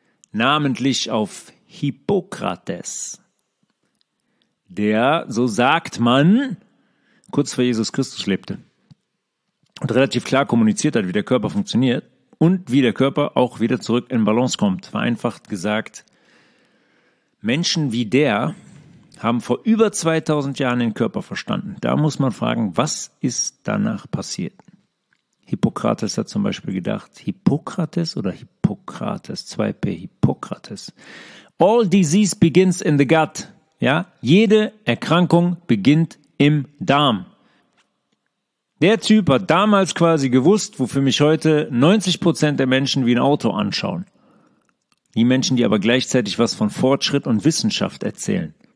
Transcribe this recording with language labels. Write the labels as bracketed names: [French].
[German] Namentlich auf Hippokrates, der, so sagt man, kurz vor Jesus Christus lebte und relativ klar kommuniziert hat, wie der Körper funktioniert und wie der Körper auch wieder zurück in Balance kommt. Vereinfacht gesagt, Menschen wie der haben vor über 2000 Jahren den Körper verstanden. Da muss man fragen, was ist danach passiert? Hippokrates hat zum Beispiel gedacht, Hippokrates oder Hippokrates, 2P Hippokrates. [English] All disease begins in the gut. [German] Ja? Jede Erkrankung beginnt im Darm. Der Typ hat damals quasi gewusst, wofür mich heute 90% der Menschen wie ein Auto anschauen. Die Menschen, die aber gleichzeitig was von Fortschritt und Wissenschaft erzählen.